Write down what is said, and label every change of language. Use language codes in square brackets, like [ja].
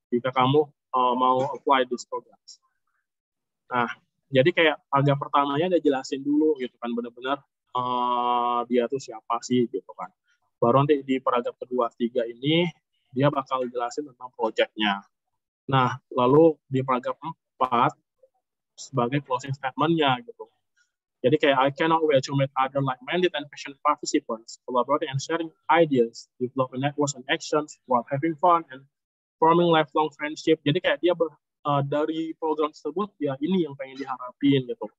[id] Jika kamu mau apply [en] this program. [id] Nah, jadi kayak agak pertamanya dia jelasin dulu gitu kan, benar-benar dia tuh siapa sih gitu kan. Baru nanti di paragraf kedua, tiga ini, dia bakal jelasin tentang proyeknya. Nah, lalu di paragraf empat, sebagai closing statement-nya, gitu. Jadi kayak, [en] I cannot wait to meet other like-minded and passionate participants, collaborating and sharing ideas, developing networks and actions, while having fun and forming lifelong friendship. [id] Jadi kayak dia dari program tersebut, ya ini yang pengen diharapin, gitu.